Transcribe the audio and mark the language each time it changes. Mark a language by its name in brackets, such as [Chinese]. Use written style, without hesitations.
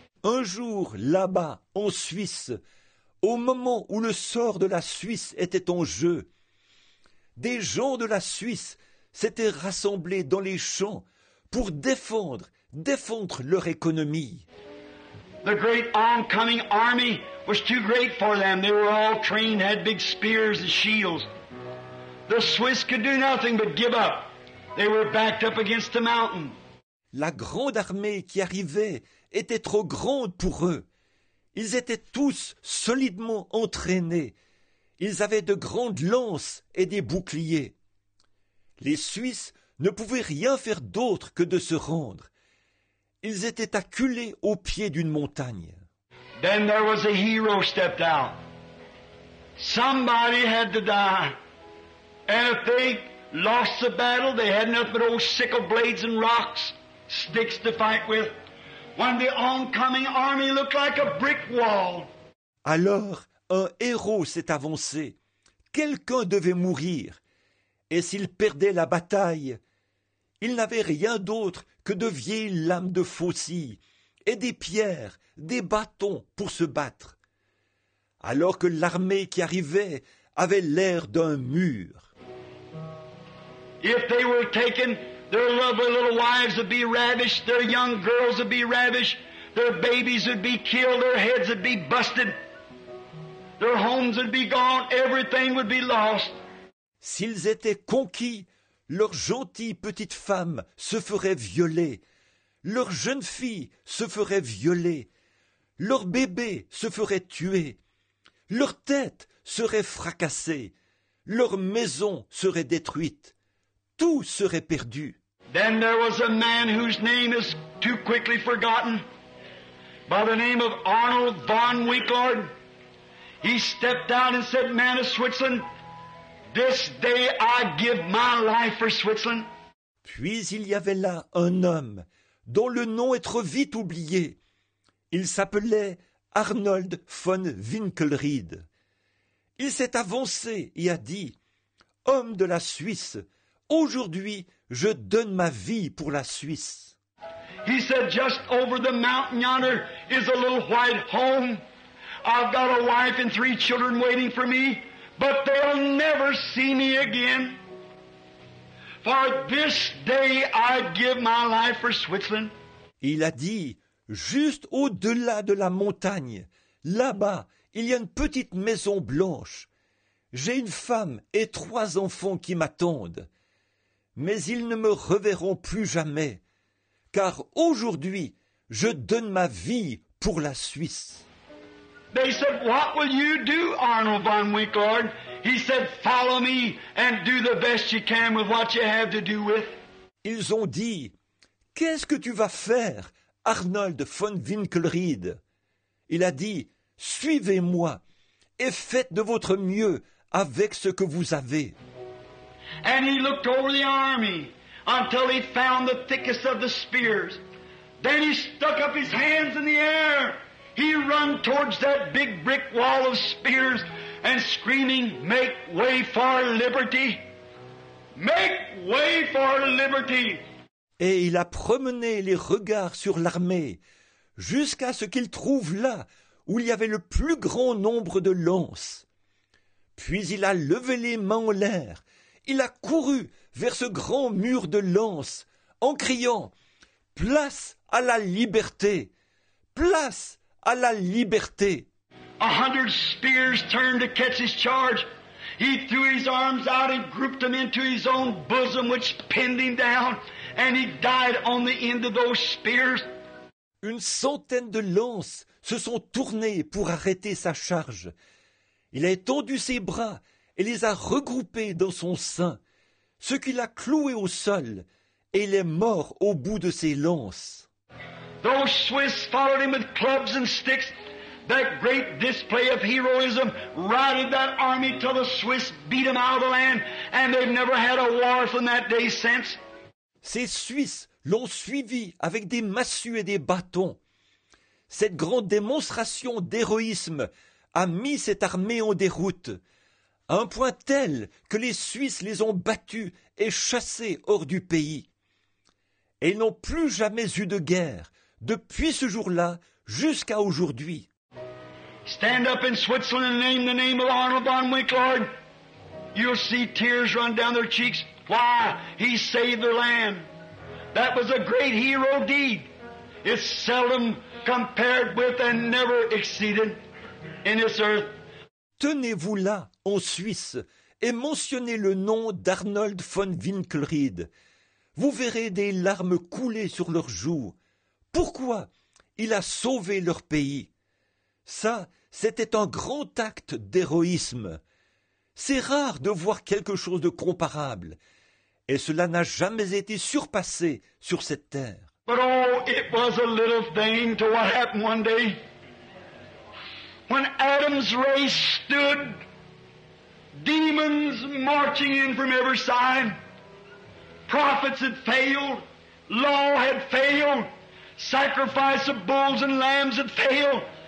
[French] Un jour, là-bas, en Suisse, au moment où le sort de la Suisse était en jeu, des gens de la Suisse s'étaient rassemblés dans les champs pour défendre leur économie. [English] The great oncoming army was too great for them. They were all trained, had big spears and shields. The Swiss could do nothing but give up. They were backed up against the mountain. [French] La grande armée qui arrivait était trop grande pour eux. Ils étaient tous solidement entraînés. Ils avaient de grandes lances et des boucliers. Les Suisses ne pouvaient rien faire d'autre que de se rendre. Ils étaient acculés au pied d'une montagne. [English] Then there was a hero stepped out. Somebody had to die. And if they lost the battle, they had nothing but old sickle blades and rocks, sticks to fight with. When the oncoming army looked like a brick wall. [French] Alors, un héros s'est avancé. Quelqu'un devait mourir. Et s'il perdait la bataille, il n'avait rien d'autre que de vieilles lames de faucille et des pierres, des bâtons pour se battre. Alors que l'armée qui arrivait avait l'air d'un mur. [English] If they were taken, their lovely little wives would be ravished, their young girls would be ravished, their babies would be killed, their heads would be busted, their homes would be gone, everything would be lost. [French] S'ils étaient conquis, leurs gentilles petites femmes se feraient violer, leurs jeunes filles se feraient violer, leurs bébés se feraient tuer, leurs têtes seraient fracassées, leurs maisons seraient détruites. Tout serait perdu. [English] Then there was a man whose name is too quickly forgotten, by the name of Arnold von Winkelried. He stepped out and said, "Man of Switzerland, this day I give my life for Switzerland." [French] Puis il y avait là un homme dont le nom est trop vite oublié. Il s'appelait Arnold von Winkelried. Il s'est avancé et a dit, "Homme de la Suisse, aujourd'hui, je donne ma vie pour la Suisse." [English] He said, "Just over the mountain yonder is a little white home. I've got a wife and three children waiting for me, but they'll never see me again. For this day I give my life for Switzerland." [French] Il a dit, "Juste au-delà de la montagne, là-bas, il y a une petite maison blanche. J'ai une femme et trois enfants qui m'attendent. Mais ils ne me reverront plus jamais, car aujourd'hui, je donne ma vie pour la Suisse." [English] They said, "What will you do, Arnold von Winkelried?" He said, "Follow me and do the best you can with what you have to do with." [French] Ils ont dit, "Qu'est-ce que tu vas faire, Arnold von Winkelried?" Il a dit, "Suivez-moi et faites de votre mieux avec ce que vous avez." [English] And he looked over the army until he found the thickest of the spears. Then he stuck up his hands in the air. He ran towards that big brick wall of spears and screaming, "Make way for liberty!" Make way for liberty. [French] Et il a promené les regards sur l'armée jusqu'à ce qu'il trouve là où il y avait le plus grand nombre de lances. Puis il a levé les mains en l'air. Il a couru vers ce grand mur de lances en criant « Place à la liberté ! Place à la liberté !» [English] 100 spears turned to catch his charge. He threw his arms out and grouped them into his own bosom, which pinned him down, and he died on the end of those spears. [French] Une centaine de lances se sont tournées pour arrêter sa charge. Il a étendu ses bras et les a regroupées dans son sein, ce qui l'a cloué au sol, et il est mort au bout de ses lances. [English] Those Swiss followed him with clubs and sticks. That great display of heroism routed that army till the Swiss beat them out of the land, and they've never had a war from that day since. [French] Ces Suisses l'ont suivi avec des massues et des bâtons. Cette grande démonstration d'héroïsme a mis cette armée en déroute, à un point tel que les Suisses les ont battus et chassés hors du pays. Et ils n'ont plus jamais eu de guerre, depuis ce jour-là jusqu'à aujourd'hui. [English] Stand up in Switzerland and name the name of Arnold von Winkelhorn. You'll see tears run down their cheeks. Why? He saved their land. That was a great hero deed. It's seldom compared with and never exceeded in this earth. [French] Tenez-vous là, en Suisse, et mentionnez le nom d'Arnold von Winkelried. Vous verrez des larmes couler sur leurs joues. Pourquoi? Il a sauvé leur pays. Ça, c'était un grand acte d'héroïsme. C'est rare de voir quelque chose de comparable, et cela n'a jamais été surpassé sur cette terre. [English] But oh, it was a little thing to what happened one day when Adam's race stood, demons marching in from every side, prophets had failed, law had failed, sacrifice of bulls and lambs had failed.